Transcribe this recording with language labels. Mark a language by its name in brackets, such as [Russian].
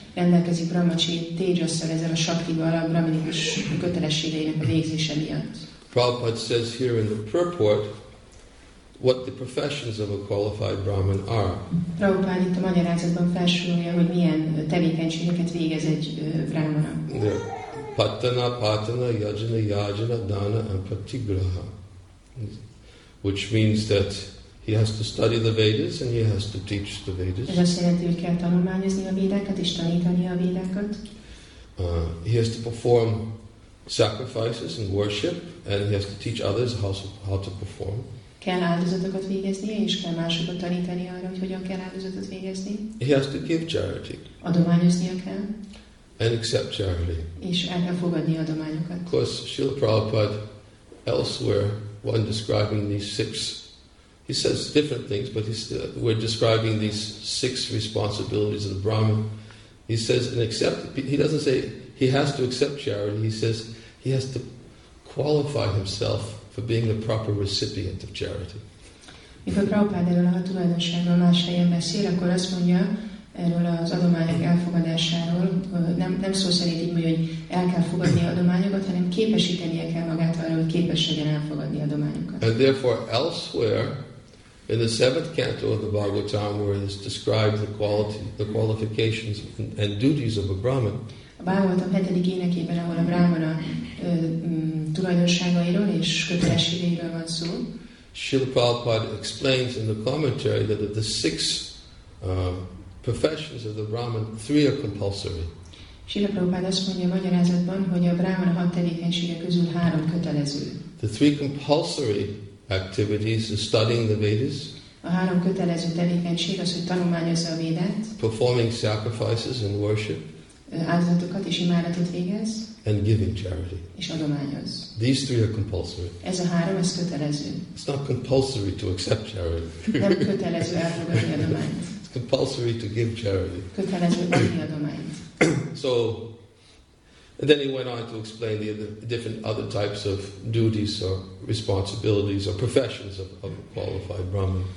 [Hungarian] Rendelkezik brahmacsi tejasszal, ezzel a saktival, a brahminikus kötelességeinek a végzése miatt. [English] Prabhupada says here in the purport what the professions of a qualified brahmin are. [Hungarian] Prabhupada itt a magyarázatban felsorolja, hogy milyen tevékenységeket végez egy brahmana. [Sanskrit] Patana, patana, yajana, yajana, dana, and pratigraha. [English] Which means that he has to study the Vedas and he has to teach the Vedas. [Hungarian] Ez azt jelenti, hogy kell tanulmányozni a védákat és tanítani a védákat. [English] He has to perform sacrifices and worship and he has to teach others how to perform. [Hungarian] Kell áldozatokat végeznie és kell másokat tanítani arra, hogy hogyan kell áldozatot végezni. [English] He has to give charity. [Hungarian] Adományoznia kell. [English] And accept charity. [Hungarian] És el kell fogadni adományokat. [English] Of course, Srila Prabhupada elsewhere, when describing these six, he says different things, but we're describing these six responsibilities of the Brahmin. He says, and accept, he doesn't say he has to accept charity, he says he has to qualify himself for being the proper recipient of charity. [Hungarian] Mikor Prabhupada erről a tulajdonságról más helyen beszél, akkor azt mondja erről az adományok elfogadásáról, nem szó szerint így, hogy el kell fogadni adományokat, hanem képesítenie kell magát arra, hogy képes legyen elfogadni adományokat. [English] And therefore elsewhere, in the seventh canto of the Bhagavatam, where it is described the quality, the qualifications and duties of a Brahmin. [Hungarian] A Bhagavatam hetedik énekében, ahol a Brahmana tulajdonságairól és kötelességeiről van szó. [English] Srila Prabhupada explains in the commentary that of the six professions of the Brahmin, three are compulsory. [Hungarian] Srila Prabhupada azt mondja a magyarázatban, hogy a Brahmana hat tevékenysége közül három kötelező. [English] The three compulsory activities is studying the Vedas. [Hungarian] A három kötelező tevékenység az, hogy tanulmányozza a Védát. [English] Performing sacrifices and worship. [Hungarian] Áldozatokat és imádatot végez. [English] And giving charity. [Hungarian] És adományoz. [English] These three are compulsory. [Hungarian] Ez a három, ez kötelező. [English] It's not compulsory to accept charity. [Hungarian] Nem kötelező elfogadni adományt. [English] It's compulsory to give charity. [Hungarian] Kötelező adni adományt. [English] So, and then he went on to explain the different other types of duties or responsibilities or professions of a qualified Brahmin.